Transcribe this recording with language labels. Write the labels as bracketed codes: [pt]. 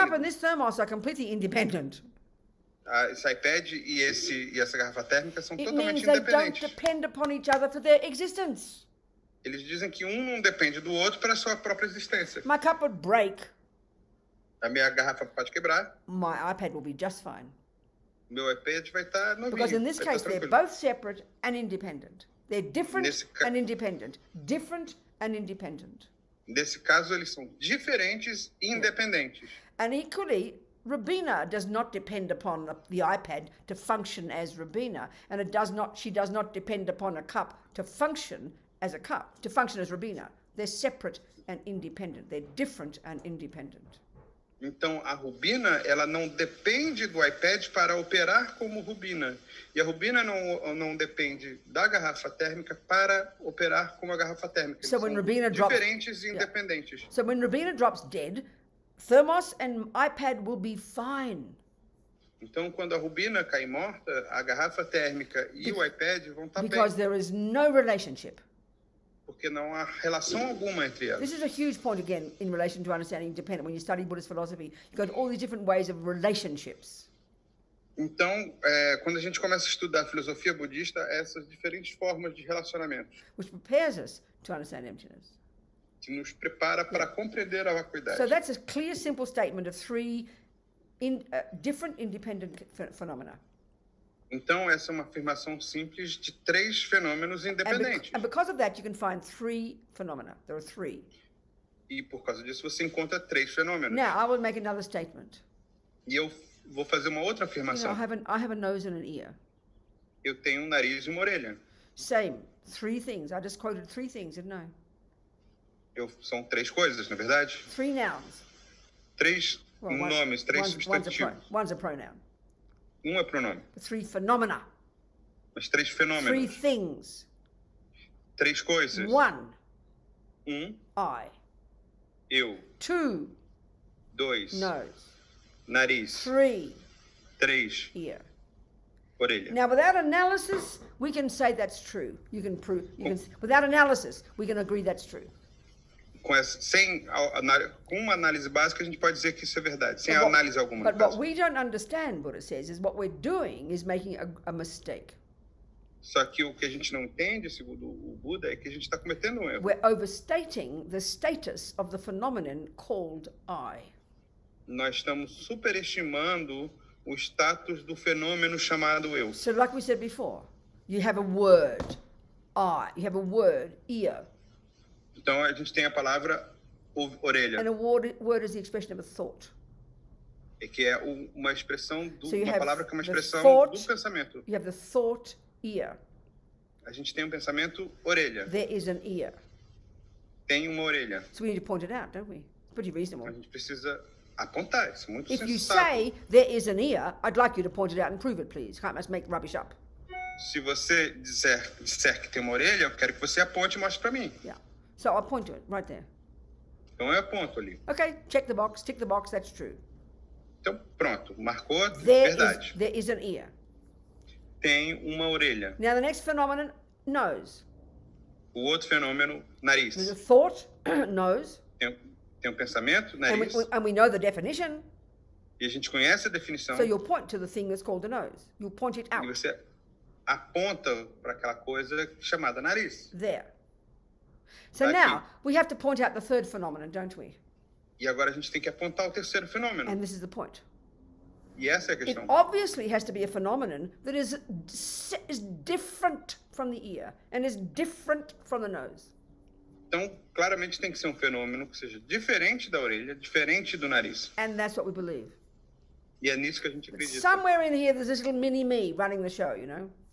[en] This cup and this thermos are completely independent. [pt] Esse iPad e essa garrafa térmica são [en] it [pt] totalmente [en] means [pt] independentes. [en] They don't depend upon each other for their existence. [pt] Eles dizem que um não depende do outro para sua própria existência. [en] My cup would break. [pt] A minha garrafa pode quebrar. [en] My iPad will be just fine. [pt] Meu iPad vai estar novinho. [en] Because in this case, they're both separate and independent. They're different and independent. Different and independent. [pt] Nesse caso, eles são diferentes e independentes. [en] And equally, Robina does not depend upon the iPad to function as Robina. And she does not depend upon a cup to function as a cup, to function as Robina. They're separate and independent. They're different and independent. [pt] Então, a Robina, ela não depende do iPad para operar como Robina. E a Robina não depende da garrafa térmica para operar como a garrafa térmica. [en] So when Robina [pt] diferentes e independentes. [en] Yeah. So when Robina drops dead, thermos and iPad will be fine. [pt] Então, quando a Robina cair morta, a garrafa térmica e o iPad vão estar bem. [en] Because there is no relationship. [pt] Porque não há relação alguma entre elas. [en] This is a huge point again in relation to understanding independence. When you study Buddhist philosophy, you've got all these different ways of relationships. [pt] Então, quando a gente começa a estudar filosofia budista, essas diferentes formas de relacionamento. [en] Which prepares us to understand emptiness. [pt] Que nos prepara para compreender a vacuidade. [en] So that's a clear, simple statement of three different independent phenomena. [pt] Então, essa é uma afirmação simples de três fenômenos independentes. [en] And because of that, you can find three phenomena. There are three. [pt] E por causa disso, você encontra três fenômenos. [en] Now, I will make another statement. [pt] E eu vou fazer uma outra afirmação. [en] You know, I have a nose and an ear. [pt] Eu tenho um nariz e uma orelha. [en] Same. Three things. I just quoted three things, didn't I? [pt] São três coisas, não é verdade? [en] Three nouns. [pt] Três nomes, três substantivos. [en] One's a pronoun. [pt] É pronome. [en] Three phenomena. [pt] Mas três fenômenos. [en] Three things. [pt] Três coisas. [en] One. I. [pt] Eu. [en] Two. [pt] Dois. [en] Nose. [pt] Nariz. [en] Three. [pt] Três. [en] Ear. [pt] Orelha. [en] Now, without analysis, we can say that's true. You can prove. Without analysis, we can agree that's true. [pt] Com uma análise básica, a gente pode dizer que isso é verdade, sem análise alguma. [en] But what we don't understand, Buddha says, is what we're doing is making a mistake. [pt] Só que o que a gente não entende, segundo o Buda, é que a gente está cometendo um erro. [en] We're overstating the status of the phenomenon called I. [pt] Nós estamos superestimando o status do fenômeno chamado eu. [en] So, like we said before, you have a word, I, you have a word, ear. [pt] Então, a gente tem a palavra orelha. [en] And a word is the expression of a thought. [pt] É que é uma expressão do, [en] so [pt] uma palavra que é uma expressão [en] thought, [pt] do pensamento. [en] You have the thought ear. [pt] A gente tem um pensamento orelha. [en] There is an ear. [pt] Tem uma orelha. [en] So we need to point it out, don't we? It's pretty reasonable. [pt] A gente precisa apontar, isso é muito [en] If [pt] sensato. [en] You say there is an ear, I'd like you to point it out and prove it, please. Can't just make rubbish up. [pt] Se você disser que tem uma orelha, eu quero que você aponte e mostre para mim. [en] Yeah. So I'll point to it right there. [pt] Então é o ponto ali. [en] Okay, check the box, tick the box, that's true. [pt] Então pronto, marcou, [en] there [pt] verdade. [en] Is, there is an ear. [pt] Tem uma orelha. [en] Now the next phenomenon, nose. [pt] O outro fenômeno, nariz. [en] There's a thought, nose. [pt] Tem um pensamento, nariz. [en] And we know the definition. [pt] E a gente conhece a definição. [en] So you point to the thing that's called the nose. You point it out. [pt] E você aponta para aquela coisa chamada nariz. [en] There. So [pt] aqui. [en] Now we have to point out the third phenomenon, don't we? [pt] E agora a gente tem que apontar o terceiro fenômeno. [en] And this is the point. [pt] E essa é a questão. [en] It obviously has to be a phenomenon that is different from the ear and is different from the nose. [pt] Então, claramente tem que ser um fenômeno que seja diferente da orelha, diferente do nariz. [en] And that's what we believe. [pt] E é nisso que a gente acredita. [en] But somewhere in here there's this little mini me running the show, you know?